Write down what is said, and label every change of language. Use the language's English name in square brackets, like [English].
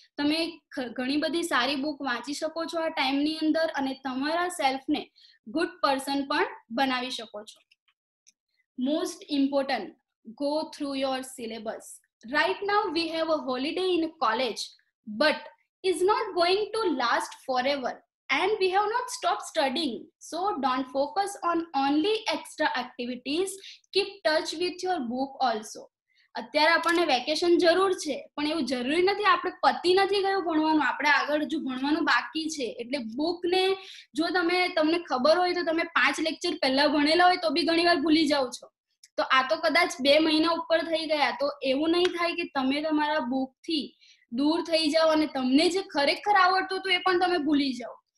[Gujarati] તમે ઘણી બધી સારી બુક વાંચી શકો છો આ ટાઈમની અંદર અને તમારા સેલ્ફને ગુડ પર્સન પણ બનાવી શકો છો. [English] Most important, go through your syllabus. Right now we have a holiday in college, but is not going to last forever. And we have not stopped studying, so don't focus on only extra activities. Keep touch with your book also. [Gujarati] અત્યારે આપણને vacation જરૂર છે, પણ એવું જરૂરી નથી આપણે પતી નથી ગયું ભણવાનું, આપણે આગળ જો ભણવાનું બાકી છે. એટલે બુકને જો તમે, તમને ખબર હોય તો તમે 5 લેક્ચર પહેલા ભણેલા હોય તો બી ઘણી વાર ભૂલી જાઓ છો. તો આ તો કદાચ 2 મહિના ઉપર થઈ ગયા, તો એવું નહીં થાય કે તમે તમારા બુકથી દૂર થઈ જાઓ અને તમને જે ખરેખર આવડતું હતું એ પણ તમે ભૂલી જાઓ.